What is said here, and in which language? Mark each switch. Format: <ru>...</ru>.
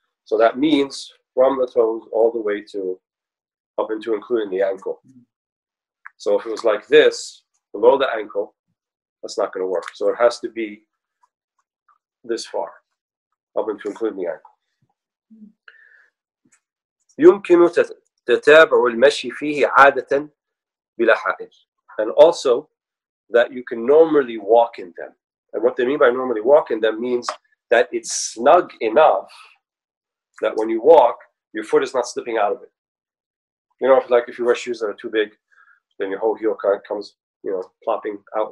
<en>So that means from the toes all the way to up into including the ankle. So if it was like this, below the ankle, that's not going to work. So it has to be this far, up into including the ankle.</en> <ar>يمكن تتابع المشي فيه عادة بلا حائل.</ar> <en>And also, that you can normally walk in them. And what they mean by normally walk in them means that it's snug enough that when you walk, your foot is not slipping out of it. You know, like if you wear shoes that are too big, then your whole heel kind of comes, you know, plopping out.</en>